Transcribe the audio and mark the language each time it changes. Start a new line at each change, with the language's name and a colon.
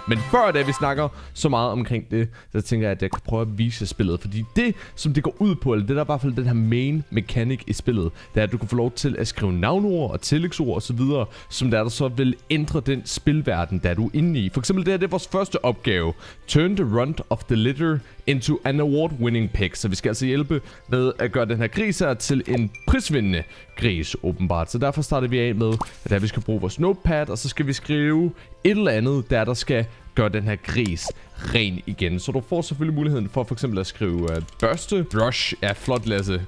Danish: Men før da vi snakker så meget omkring det, så tænker jeg, at jeg kan prøve at vise jer spillet. Fordi det, som det går ud på, eller det der er i hvert fald den her main mechanic i spillet, det er, at du kan få lov til at skrive navnord og tillægsord osv., som der så vil ændre den spilverden, der du er inde i. For eksempel det her, det er vores første opgave.
English: Turn the runt of the litter into an award-winning pig.
Danish: Så vi skal altså hjælpe med at gøre den her gris her til en prisvindende gris, åbenbart. Så derfor starter vi af med, at vi skal bruge vores notepad, og så skal vi skrive et eller andet, der skal gør den her gris ren igen. Så du får selvfølgelig muligheden for f.eks. at skrive børste. Brush er flot, Lasse.